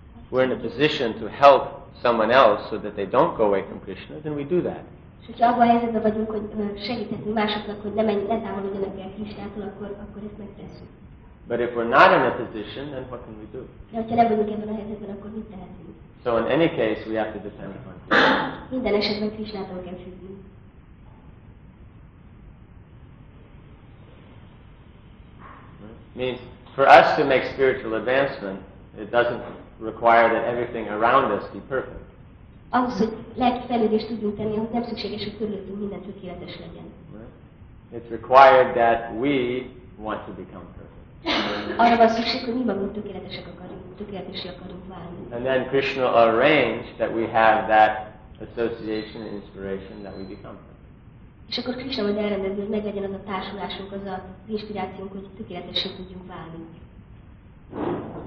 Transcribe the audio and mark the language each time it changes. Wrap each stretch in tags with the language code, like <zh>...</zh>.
<en>we're in a position to help someone else so that they don't go away from Krishna, then we do that.</en> <hu>És hogyha abban a helyzetben vagyunk, hogy segíthetünk másoknak, hogy ne távolodjanak el Krisnától, akkor ezt megtesszük.</hu> <en>But if we're not in a position, then what can we do?</en> <hu>De hogyha nem vagyunk ebben a helyzetben, akkor mit tehetünk?</hu> <en>So in any case, we have to depend upon Krishna.</en> <hu>Minden esetben Krisnától kell függni.</hu> <en>Means for us to make spiritual advancement, it doesn't require that everything around us be perfect.</en> <hu>Ahhoz, hogy lelki fejlődést tudjunk tenni, ahhoz nem szükséges, hogy körülöttünk minden tökéletes legyen.</hu> <en>It's required that we want to become perfect.</en> <hu>Arra van szükség, hogy mi magunk tökéletesek akarunk válni.</hu> <en>And then Krishna will arrange that we have that association and inspiration that we become perfect.</en> <hu>És akkor Krisna majd elrendezi, hogy meglegyen az a társulásunk, az a inspirációnk, hogy tökéletesen tudjunk válni.</hu>